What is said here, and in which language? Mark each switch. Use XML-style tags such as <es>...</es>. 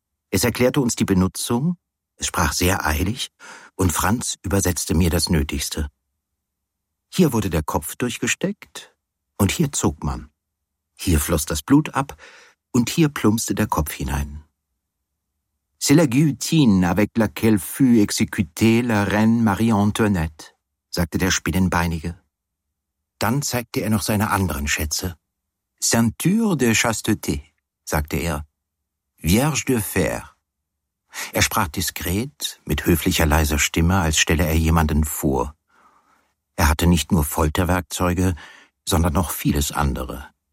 <de>Es erklärte uns die Benutzung, es sprach sehr eilig, und Franz übersetzte mir das Nötigste. Hier wurde der Kopf durchgesteckt, und hier zog man. Hier floss das Blut ab, und hier plumpste der Kopf hinein.</de> <fr>»C'est la guillotine avec laquelle fut exécutée la reine Marie-Antoinette«,</fr> <de>sagte der Spinnenbeinige. Dann zeigte er noch seine anderen Schätze. »</de> <fr>Ceinture de chasteté«,</fr> <de>sagte er, »</de> <fr>Vierge de fer.«</fr> <de>Er sprach diskret, mit höflicher, leiser Stimme, als stelle er jemanden vor. Er hatte nicht nur Folterwerkzeuge, sondern noch vieles andere.</de>